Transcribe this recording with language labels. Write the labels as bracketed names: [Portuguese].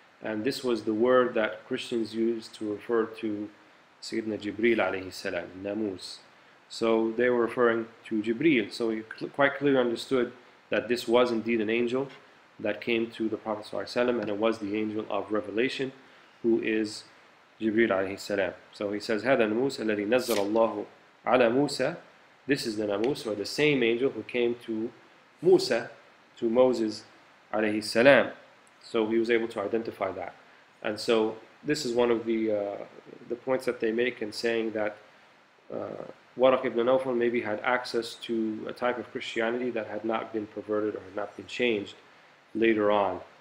[English] And this was the word that Christians used to refer to Sayyidina Jibreel alayhi salam, namus. So they were referring to Jibreel. So he quite clearly understood that this was indeed an angel that came to the Prophet Sallallahu Alaihi Wasallam, and it was the angel of revelation, who is Jibreel alayhi salam. So he says, [Arabic] هذا النموس الذي نزل الله على موسى. [English] This is the namus, or the same angel who came to Musa, to Moses alayhi salam. So he was able to identify that. And so this is one of the points that they make in saying that Waraq ibn Nawfal maybe had access to a type of Christianity that had not been perverted or had not been changed later on.